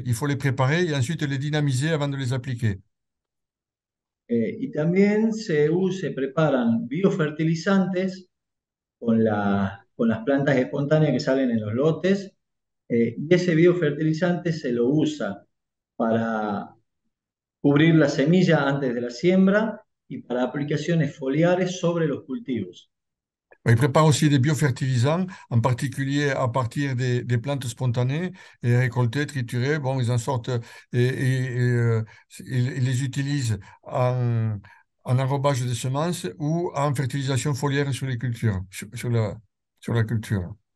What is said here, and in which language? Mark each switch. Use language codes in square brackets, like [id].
[fr] Il faut les préparer et ensuite les dynamiser avant de les appliquer. [es] Y también se preparan biofertilizantes con las plantas espontáneas que salen en los lotes, y ese biofertilizante se lo usa para cubrir la semilla antes de la siembra y para aplicaciones foliares sobre los cultivos. [fr] Ils préparent aussi des biofertilisants, en particulier à partir des plantes spontanées et récoltées, triturées. Bon, ils en sortent et ils les utilisent en enrobage de semences ou en fertilisation foliaire sur les cultures, sur la culture.